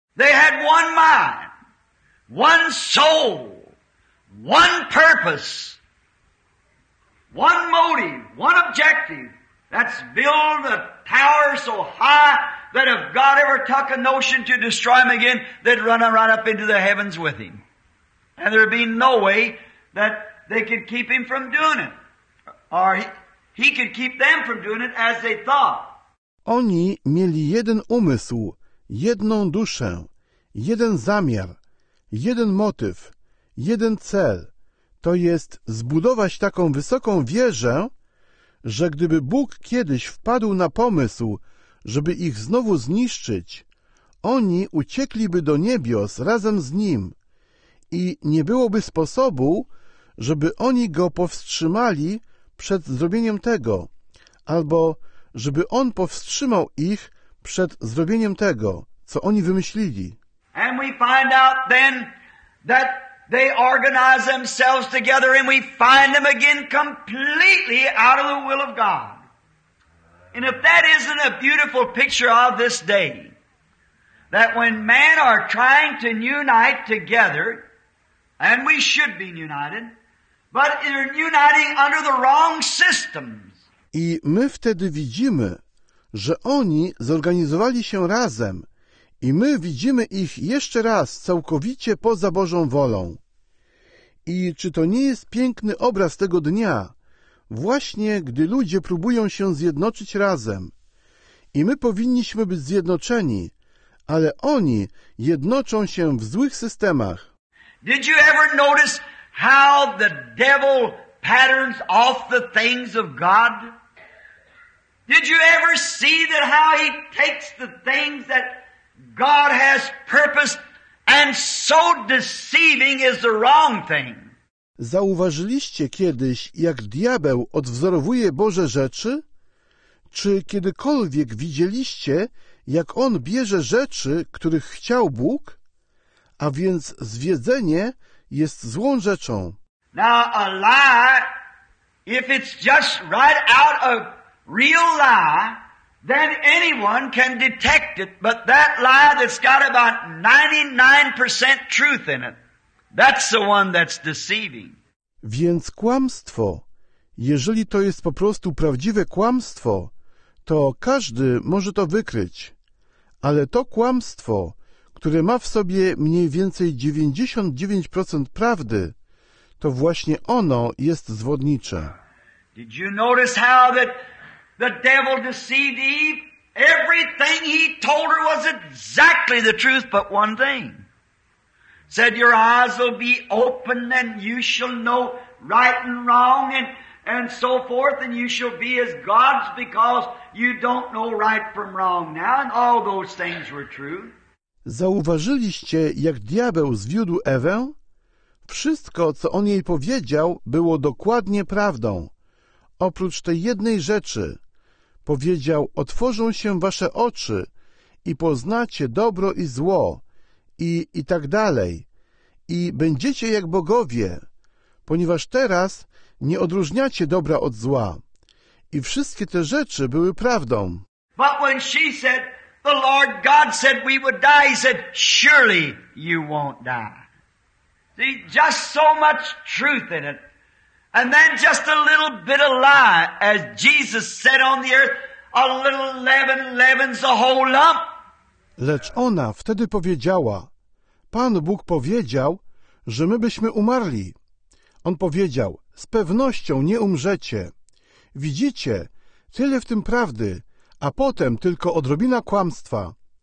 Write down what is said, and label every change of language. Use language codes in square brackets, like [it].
[en] They had one mind, one soul, one purpose, one motive, one objective. That's build a tower so high that if God ever took a notion to destroy him again, they'd run right up into the heavens with him. And there'd be no way that they could keep him from doing it. Or he could keep them from doing it as they thought. [pl] Oni mieli jeden umysł, jedną duszę, jeden zamiar, jeden motyw, jeden cel. To jest zbudować taką wysoką wieżę, że gdyby Bóg kiedyś wpadł na pomysł, żeby ich znowu zniszczyć, oni uciekliby do niebios razem z Nim i nie byłoby sposobu, żeby oni go powstrzymali przed zrobieniem tego, albo żeby on powstrzymał ich przed zrobieniem tego, co oni wymyślili. [en] And we find out then that they organize themselves together and we find them again completely out of the will of God. And if that isn't a beautiful picture of this day, that when men are trying to unite together, and we should be united, but they're uniting under the wrong systems. [pl] I my wtedy widzimy, że oni zorganizowali się razem i my widzimy ich jeszcze raz całkowicie poza Bożą wolą. I czy to nie jest piękny obraz tego dnia, Właśnie gdy ludzie próbują się zjednoczyć razem i my powinniśmy być zjednoczeni, ale oni jednoczą się w złych systemach. [en] Did you ever notice how the devil patterns off the things of God? Did you ever see that how he takes the things that God has purposed and so deceiving is the wrong thing? [pl] Zauważyliście kiedyś, jak diabeł odwzorowuje Boże rzeczy? Czy kiedykolwiek widzieliście, jak on bierze rzeczy, których chciał Bóg? A więc zwiedzenie jest złą rzeczą. [en] Now a lie, if it's just right out a real lie, then anyone can detect it. But that lie that's got about 99% truth in it, that's the one that's deceiving. [pl] Więc kłamstwo, jeżeli to jest po prostu prawdziwe kłamstwo, to każdy może to wykryć. Ale to kłamstwo, które ma w sobie mniej więcej 99% prawdy, to właśnie ono jest zwodnicze. [en] Did you notice how that the devil deceived Eve? Everything he told her was exactly the truth, but one thing. Said your eyes will be open and you shall know right and wrong and so forth, and you shall be as gods because you don't know right from wrong now, and all those things were true. [pl] Zauważyliście, jak diabeł zwiódł Ewę? Wszystko, co on jej powiedział, było dokładnie prawdą. Oprócz tej jednej rzeczy. Powiedział, otworzą się wasze oczy i poznacie dobro i zło i tak dalej. I będziecie jak bogowie, ponieważ teraz nie odróżniacie dobra od zła. I wszystkie te rzeczy były prawdą. [en] But when she said, the Lord God said we would die, he said, surely you won't die. See, just so much truth in it. And then just a little bit of lie, as Jesus said on the earth, a little leaven leavens the whole lump. [pl] Lecz ona wtedy powiedziała, Pan Bóg powiedział, że my byśmy umarli. On powiedział, z pewnością nie umrzecie. Widzicie, tyle w tym prawdy, a potem tylko odrobina kłamstwa.